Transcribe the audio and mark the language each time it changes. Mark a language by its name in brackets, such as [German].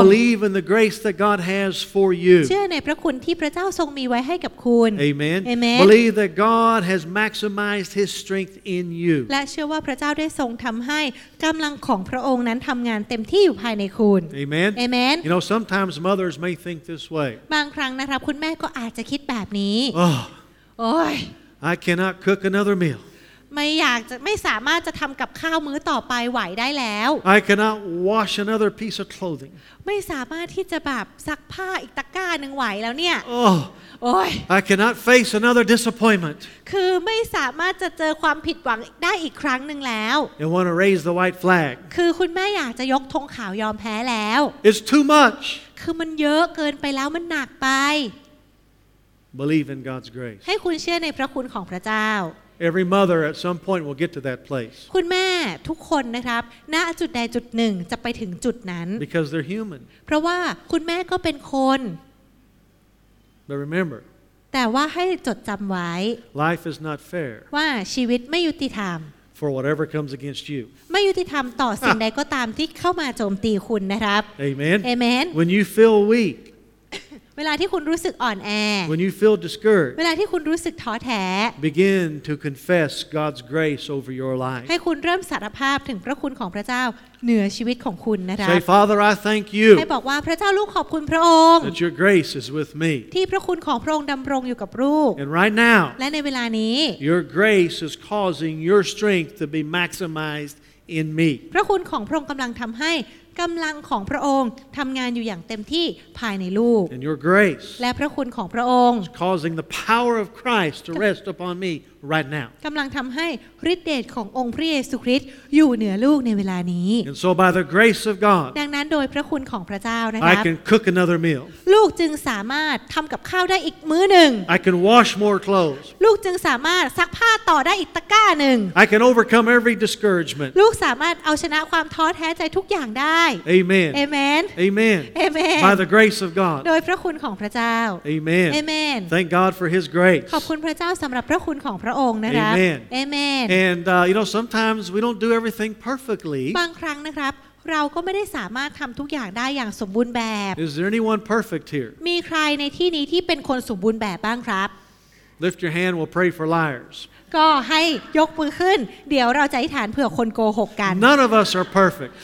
[English] Believe in the grace that God has for you [Thai] เชื่อในพระคุณที่พระเจ้าทรงมีไว้ให้กับคุณ [English] Amen. Amen. Believe that God has maximized His strength in you [Thai] และเชื่อว่าพระเจ้าได้ทรงทำให้กำลังของพระองค์นั้นทำงานเต็มที่อยู่ภายในคุณ [English] Amen. Amen. You know sometimes mothers may think this way [Thai] บางครั้งนะครับคุณแม่ก็อาจจะคิดแบบนี้ Oh. Oy. [English] I cannot cook another meal. [Thai] ไม่อยากจะไม่สามารถจะทำกับข้าวมื้อต่อไปไหวได้แล้ว [English] I cannot wash another piece of clothing [Thai] ไม่สามารถที่จะแบบซักผ้าอีกตะกร้าหนึ่งไหวแล้วเนี่ย Oh โอ้ย [English] I cannot face another disappointment [Thai] คือไม่สามารถจะเจอความผิดหวังได้อีกครั้งนึงแล้ว [English] I want to raise the white flag [Thai] คือคุณแม่อยากจะยกธงขาวยอมแพ้แล้ว [English] It's too much [Thai] คือมันเยอะเกินไปแล้วมันหนักไป [English] Believe in God's grace [Thai] ให้คุณเชื่อในพระคุณของพระเจ้า [English] Every mother at some point will get to that place. [Thai] คุณแม่ทุกคนนะครับณจุดใดจุดหนึ่งจะไปถึงจุดนั้น [English] Because they're human. [Thai] เพราะว่าคุณแม่ก็เป็นคน [English] But remember. [Thai] แต่ว่าให้จดจำไว้ [English] Life is not fair. [Thai] ว่าชีวิตไม่ยุติธรรม [English] For whatever comes against you. [Thai] ไม่ยุติธรรมต่อสิ่งใดก็ตามที่เข้ามาโจมตีคุณนะครับ [English] Amen. Amen. When you feel weak. [Thai] เวลาที่คุณรู้สึกอ่อนแอ [English] When you feel discouraged [Thai] เวลาที่คุณรู้สึกท้อแท้ [English] Begin to confess God's grace over your life [Thai] ให้คุณเริ่มสารภาพถึงพระคุณของพระเจ้าเหนือชีวิตของคุณนะครับ [English] Say Father I thank you [Thai] ให้บอกว่าพระเจ้าลูกขอบคุณพระองค์ [English] That your grace is with me [Thai] ที่พระคุณของพระองค์ดำรงอยู่กับลูก [English] And right now [Thai] และในเวลานี้ [English] Your grace is causing your strength to be maximized in me [Thai] พระคุณของพระองค์กำลังทำให้กำลังของพระองค์ทำงานอยู่อย่างเต็มที่ภายในลูกและพระคุณของพระองค์ [English] causing the power of Christ to rest upon me right now [Thai] กำลังทำให้ฤทธิ์เดชขององค์พระเยซูคริสต์อยู่เหนือลูกในเวลานี้ [English] And so by the grace of God [Thai] ดังนั้นโดยพระคุณของพระเจ้านะครับ [English] I can cook another meal [Thai] ลูกจึงสามารถทำกับข้าวได้อีกมื้อนึง [English] I can wash more clothes [Thai] ลูกจึงสามารถซักผ้าต่อได้อีกตะกร้านึง [English] I can overcome every discouragement [Thai] ลูกสามารถเอาชนะความท้อแท้ใจทุกอย่างได้ [English] Amen. Amen. Amen. Amen. By the grace of God. [Thai] โดยพระคุณของพระเจ้า [English] Amen. Amen. Thank God for His grace. [Thai] ขอบคุณพระเจ้าสำหรับพระคุณของพระองค์นะครับ [English] Amen. Amen. And you know sometimes we don't do everything perfectly. [Thai] บางครั้งนะครับเราก็ไม่ได้สามารถทำทุกอย่างได้อย่างสมบูรณ์แบบ [English] Is there anyone perfect here? [Thai] มีใครในที่นี้ที่เป็นคนสมบูรณ์แบบบ้างครับ [English] Lift your hand. We'll pray for liars. [Thai] ก็ให้ยกมือขึ้นเดี๋ยวเราจะอธิษฐานเผื่อคนโกหกกัน [English] None of us are perfect